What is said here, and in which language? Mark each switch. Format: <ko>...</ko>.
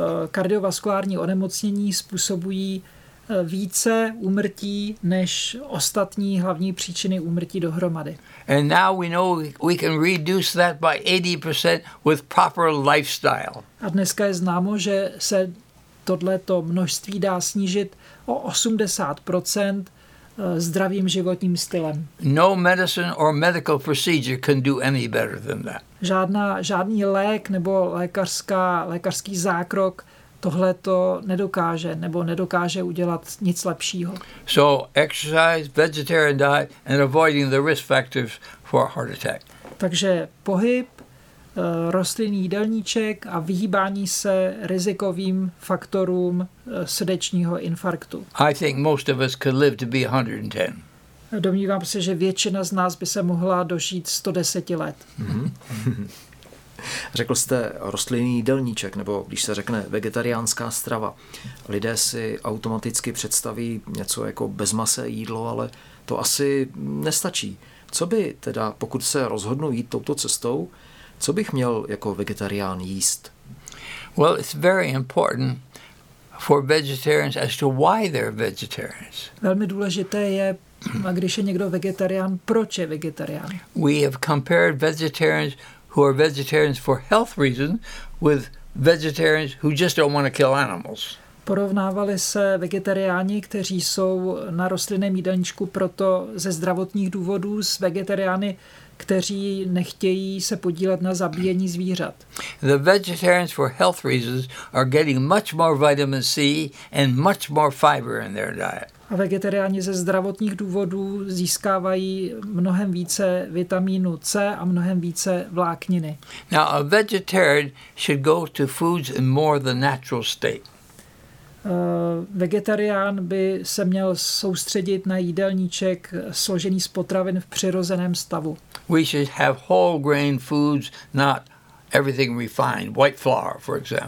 <cs>Kardiovaskulární onemocnění způsobují více úmrtí než ostatní hlavní příčiny úmrtí dohromady.</cs> <en>And now we know we can reduce that by 80% with proper lifestyle.</en> <cs>A dneska je známo, že se tohleto množství dá snížit o 80% zdravým životním stylem.</cs> <en>No medicine or medical procedure can do any better than that.</en> <cs>Žádný lék nebo lékařský zákrok tohle to nedokáže nebo nedokáže udělat nic lepšího.</cs> <en>So exercise, vegetarian diet and avoiding the risk factors for heart attack.</en> <cs>Takže pohyb, rostlinný jídelníček a vyhýbání se rizikovým faktorům srdečního infarktu.</cs> <en>I think most of us could live to be 110.</en> <cs>Domnívám se, že většina z nás by se mohla dožít 110 let. Řekl jste rostlinný jídelníček, nebo když se řekne vegetariánská strava. Lidé si automaticky představí něco jako bezmasé jídlo, ale to asi nestačí. Co by teda, pokud se rozhodnu jít touto cestou, co bych měl jako vegetarián jíst?</cs> <en>Well, it's very important for vegetarians as to why they're vegetarians.</en> <cs>Velmi důležité je, a když je někdo vegetarián, proč je vegetarián?</cs> <en>We have compared vegetarians who are vegetarians for health reasons with vegetarians who just don't want to kill animals.</en> <cs>Porovnávali se vegetariáni, kteří jsou na rostlinném jídelníčku proto ze zdravotních důvodů, s vegetariány, kteří nechtějí se podílet na zabíjení zvířat.</cs> <en>The vegetarians for health reasons are getting much more vitamin C and much more fiber in their diet.</en> <cs>A vegetariáni ze zdravotních důvodů získávají mnohem více vitamínu C a mnohem více vlákniny.</cs> <en>Now a vegetarian should go to foods in more the natural state.</en> <cs>Vegetarián by se měl soustředit na jídelníček složený z potravin v přirozeném stavu.</cs> <en>We should have whole grain foods, not everything refined, white flour, for example.</en>